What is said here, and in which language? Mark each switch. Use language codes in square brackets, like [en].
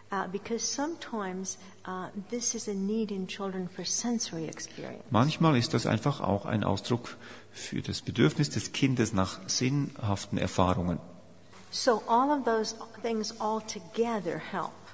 [en] Because sometimes this is a need in children for sensory experience. [de] Manchmal ist das einfach auch ein Ausdruck für das Bedürfnis des Kindes nach sinnhaften Erfahrungen. [en] So all of those things all together help.